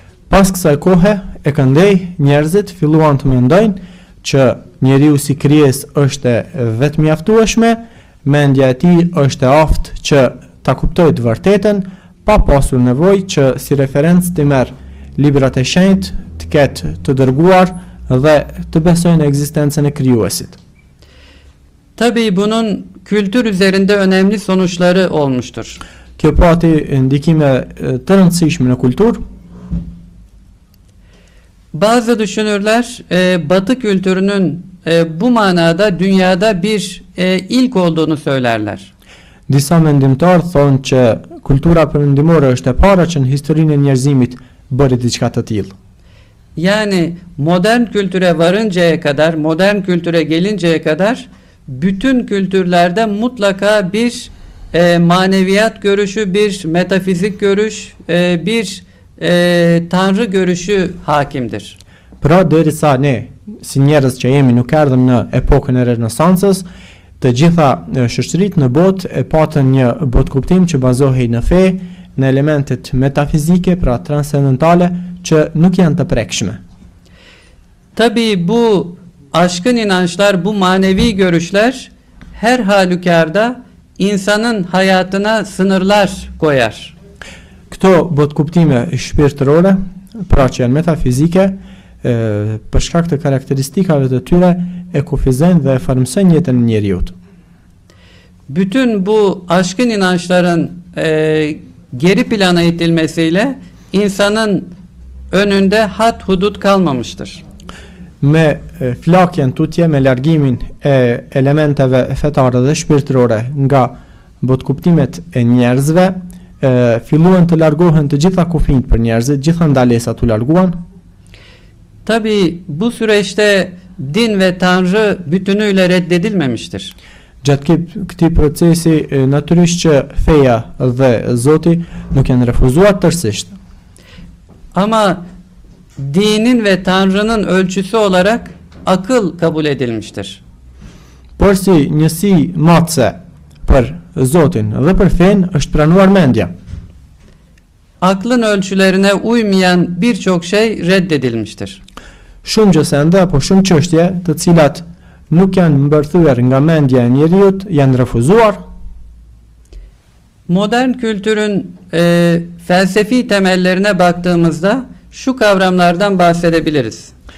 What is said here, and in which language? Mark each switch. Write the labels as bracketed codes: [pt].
[sq] Pas kësaj kohe e këndej, njerëzit filluan të mendojnë që njeriu si krijes është vetëmjaftueshme, mendja e tij është aftë që ta kuptoj të vërtetën, pa pasur nevojë që si referencë të merë librat e shenjtë, të ketë të dërguar dhe të besojnë ekzistencën e krijuesit. [tr] Tabii bunun kültür üzerinde önemli sonuçları olmuştur. [sq] Kjo pati ndikime të rëndësishme në kultur. [tr] Bazı düşünürler Batı kültürünün bu manada dünyada bir ilk olduğunu söylerler. [sq] Disa mendimtar thonë që kultura perëndimore është e para që në historinë e njerëzimit bëri diçka të tillë. [tr] Yani modern kültüre varıncaya kadar, modern kültüre gelinceye kadar bütün kültürlerde mutlaka bir maneviyat görüşü, bir metafizik görüş, bir tanrı görüşü hakimdir. [sq] Pra derisa ne si njerëz që jemi nuk erdhëm në epokën e Renesancës, të gjitha shoqërit në botë e patën një botëkuptim që bazohej në fe, në elementet metafizike, pra transcendentale, që nuk janë të prekshme. [tr] Tabii bu aşkın inançlar, bu manevi görüşler her halükarda insanın hayatına sınırlar koyar. [sq] Këto botëkuptime shpirtërore, pra që janë metafizike, për shkak të karakteristikave të tyre e kufizojnë dhe e farmësojnë jetën e njerëzit. [tr] Bütün bu aşkın inançların geri plana itilmesiyle insanın önünde hat hudut kalmamıştır. [sq] Me flakjen tutje, me largimin e elementeve fetare dhe shpirtërore nga botëkuptimet e njerëzve, filluan të largohen të gjitha kufijtë për njerëzit, gjitha ndalesat u larguan. [tr] Tabii bu süreçte din ve tanrı bütünüyle reddedilmemiştir. [sq] Gjatë këtij procesi natyrisht që feja dhe Zoti nuk janë refuzuar tërësisht. [tr] Ama dinin ve tanrının ölçüsü olarak akıl kabul edilmiştir. [sq] Por si njësi matse për Zotin dhe për fen është pranuar mendja. [tr] Aklın ölçülerine uymayan birçok şey reddedilmiştir. [sq] Shumë sende apo shumë çështje të cilat nuk janë mbërthyer nga mendja e njeriut, janë refuzuar. [tr] Modern kültürün felsefi temellerine baktığımızda şu kavramlardan bahsedebiliriz.